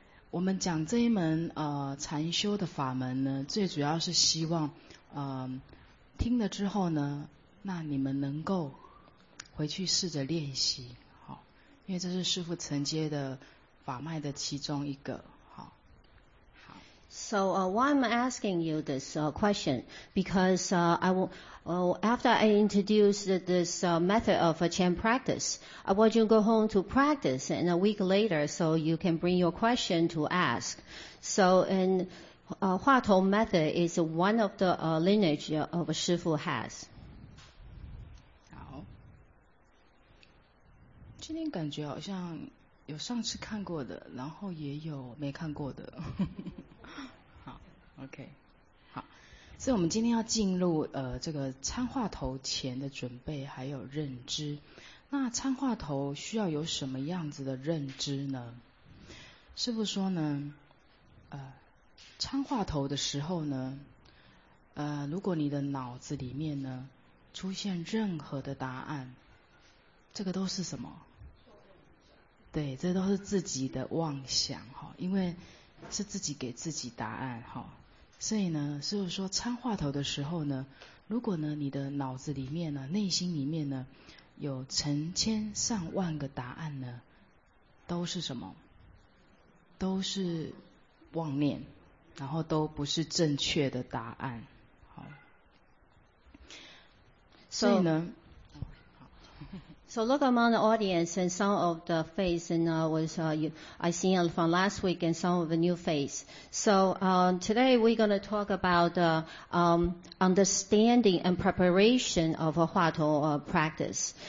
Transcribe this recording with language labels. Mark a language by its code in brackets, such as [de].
[zh] 我们讲这一门禅修的法门呢，最主要是希望听了之后呢，那你们能够回去试着练习，好，因为这是师父承接的法脉的其中一个。 [en] So why I'm asking you this question? Because after I introduced this method of chan practice, I want you to go home to practice and a week later so you can bring your question to ask. So and Hua Tou method is one of the lineage of Shi Fu has. [zh] 好，今天感觉好像有上次看过的，然后也有没看过的。 OK， 好，所以我们今天要进入这个参话头前的准备还有认知。那参话头需要有什么样子的认知呢？师父说呢，参话头的时候呢，如果你的脑子里面呢出现任何的答案，这个都是什么？对，这都是自己的妄想哈，因为是自己给自己答案哈。所以呢，师父说参话头的时候呢，如果呢你的脑子里面呢、内心里面呢有成千上万个答案呢，都是什么？都是妄念，然后都不是正确的答案。好， [en] so, [zh] 所以呢。 [en] So look among the audience and some of the face and I seen from last week and some of the new face. So today we're going to talk about understanding and preparation of a Hua Tou practice.